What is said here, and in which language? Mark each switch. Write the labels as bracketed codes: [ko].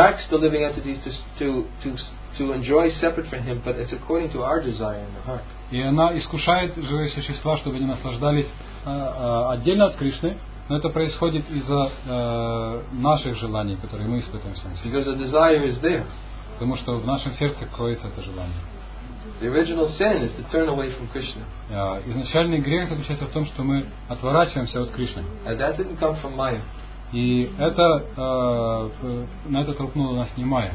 [ru] Кришны. И она искушает живые существа, чтобы они наслаждались отдельно от Кришны. Но это происходит из-за наших желаний, которые мы испытываем в своем сердце. [en] Because the desire is there. [ru] Потому что в нашем сердце кроется это желание. [en] The original sin is to turn away from Krishna. [ru] Изначальный грех заключается в том, что мы отворачиваемся от Кришны. [en] And that didn't come from Maya. [ru] И это на это толкнуло нас не Майя.